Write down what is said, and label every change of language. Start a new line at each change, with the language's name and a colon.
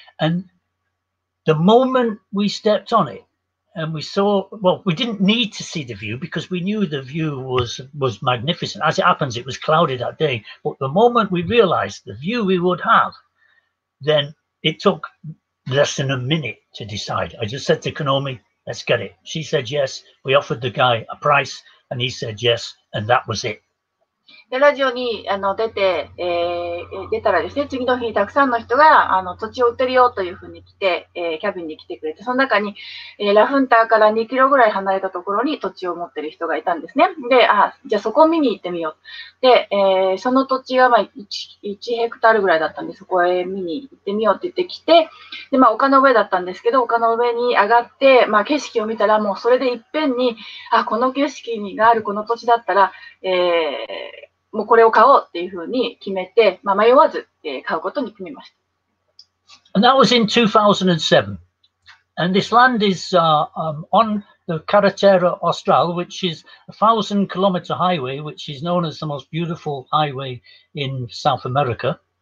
English: And the moment we stepped on it and we saw, well, we didn't need to see the view because we knew the view was magnificent. As it happens, it was cloudy that day. But the moment we realized the view we would have, then it took less than a minute to decide. I just said to Konomi,Let's get it. She said yes. We offered the guy a price and he said yes. And that was it.
Japanese: で、ラジオに出て、出たらですね、次の日にたくさんの人が土地を売ってるよというふうに来て、キャビンに来てくれて、その中に、ラフンターから2キロぐらい離れたところに土地を持ってる人がいたんですね。で、あ、じゃあそこを見に行ってみよう。で、その土地がまあ 1ヘクタールぐらいだったんで、そこへ見に行ってみようって言ってきて、で、まあ丘の上だったんですけど、丘の上に上がって、まあ景色を見たらもうそれでいっぺんに、あ、この景色があるこの土地だったら、もうこれを買おうっていうふうに決めて、まあ、迷わず、買うことに決めました。
English: And that was in 2007. And this land is on the Carretera Austral, which is a 1,000-kilometer highway, which is known as the most beautiful highway in South America.